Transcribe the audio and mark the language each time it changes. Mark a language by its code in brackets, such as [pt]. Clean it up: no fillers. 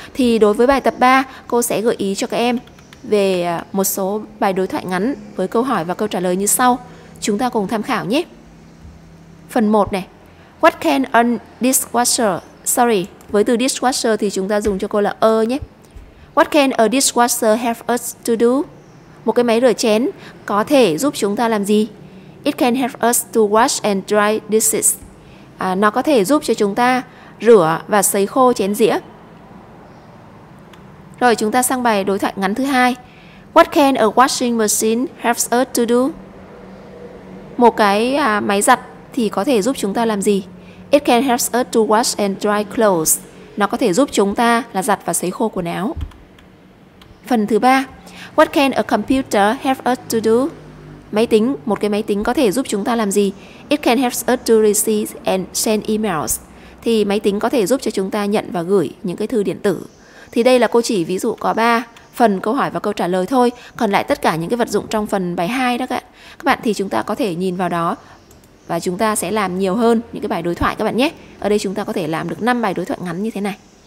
[vi] Thì đối với bài tập 3, cô sẽ gợi ý cho các em về một số bài đối thoại ngắn với câu hỏi và câu trả lời như sau. Chúng ta cùng tham khảo nhé. Phần 1 này. [en] What can a dishwasher, [vi] với từ dishwasher thì chúng ta dùng cho cô là a nhé. [en] What can a dishwasher help us to do? [vi] Một cái máy rửa chén có thể giúp chúng ta làm gì? [en] It can help us to wash and dry dishes. [vi] Nó có thể giúp cho chúng ta rửa và sấy khô chén dĩa. Rồi chúng ta sang bài đối thoại ngắn thứ hai. [en] What can a washing machine help us to do? [vi] Một cái máy giặt thì có thể giúp chúng ta làm gì? [en] It can help us to wash and dry clothes. [vi] Nó có thể giúp chúng ta là giặt và sấy khô quần áo. Phần thứ ba. [en] What can a computer help us to do? [vi] Máy tính, một cái máy tính có thể giúp chúng ta làm gì? [en] It can help us to receive and send emails. [vi] Thì máy tính có thể giúp cho chúng ta nhận và gửi những cái thư điện tử. Thì đây là cô chỉ ví dụ có 3 phần câu hỏi và câu trả lời thôi. Còn lại tất cả những cái vật dụng trong phần bài 2 đó các bạn thì chúng ta có thể nhìn vào đó và chúng ta sẽ làm nhiều hơn những cái bài đối thoại các bạn nhé. Ở đây chúng ta có thể làm được 5 bài đối thoại ngắn như thế này.